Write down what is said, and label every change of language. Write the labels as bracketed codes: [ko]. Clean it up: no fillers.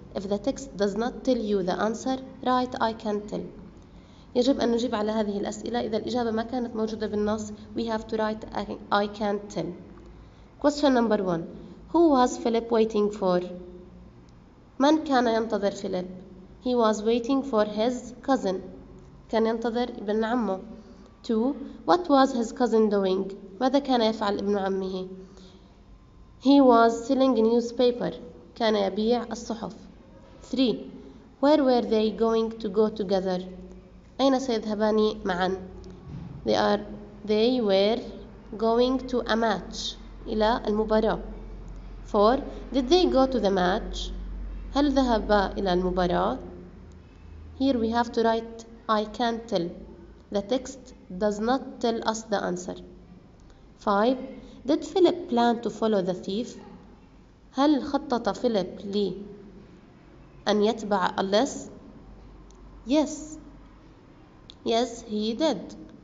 [en] If the text does not tell you the answer, write I can tell. [ar] يجب أن نجيب على هذه الأسئلة. إذا الإجابة ما كانت موجودة بالنص، [en] we have to write I can tell. Question number 1. Who was Philip waiting for? [ar] من كان ينتظر فيليب؟ [en] He was waiting for his cousin. [ar] كان ينتظر ابن عمه. [en] 2. What was his cousin doing? [ar] ماذا كان يفعل ابن عمه؟ [en] He was selling a newspaper. [ar] كان يبيع الصحف. [en] 3. Where were they going to go together? [ar] أين سيذهبان معا؟ [en] They were going to a match، [ar] إلى المباراة. [en] 4. Did they go to the match؟ [ar] هل ذهبا إلى المباراة؟ [en] Here we have to write I can't tell. The text does not tell us the answer. 5. Did Philip plan to follow the thief؟ [ar] هل خطط فيليب لي أن يتبع اللص؟ [en] Yes, he did.